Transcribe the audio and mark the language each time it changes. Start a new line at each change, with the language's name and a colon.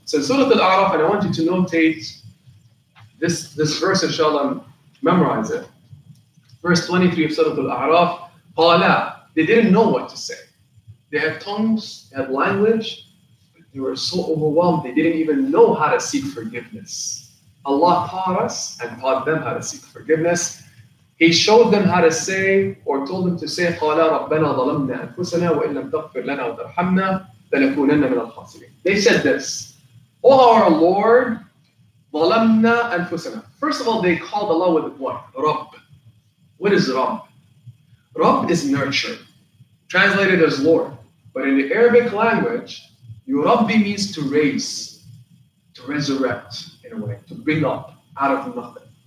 English: So Surah Al-A'raf, and I want you to notate this verse, inshallah, and memorize it. Verse 23 of Surah Al-A'raf, Qala, they didn't know what to say. They had tongues, they had language, they were so overwhelmed, they didn't even know how to seek forgiveness. Allah taught us and taught them how to seek forgiveness. He showed them how to say,
Arabic: or told them to say, قَالَا رَبَّنَا ظَلَمْنَا أَنفُسَنَا وَإِنْ لَمْ تَغْفِرْ لَنَا وَتَرْحَمْنَا لَنَكُونَنَّ مِنَ الْخَاسِرِينَ.
English: They said this, O our Lord,
Arabic: ظَلَمْنَا أَنفُسَنَا.
English: First of all, they called Allah with what? Rabb. What is Rabb? Rabb is nurture. Translated as Lord. But in the Arabic language, Yurabbi means to raise, to resurrect in a way, to bring up out of nothing.